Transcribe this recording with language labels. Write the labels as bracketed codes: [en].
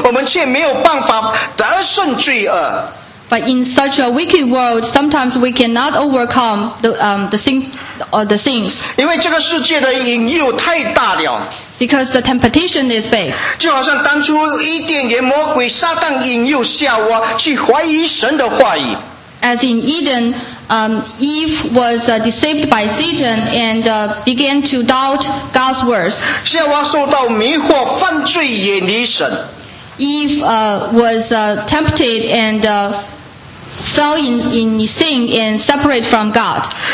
[zh] 但是在这个罪恶的世界里面，好多时候我们却没有办法战胜罪恶。 [en] But in such a wicked world, sometimes we cannot overcome the things. [zh] 因为这个世界的引诱太大了。 [en] Because the temptation is big. [zh] 就好像当初伊甸园魔鬼撒旦引诱夏娃去怀疑神的话语。 [en] As in Eden, Eve was deceived by Satan and began to doubt God's words. [zh] 夏娃受到迷惑，犯罪，远离神。 [en] Eve was tempted and fell in sin and separate from God.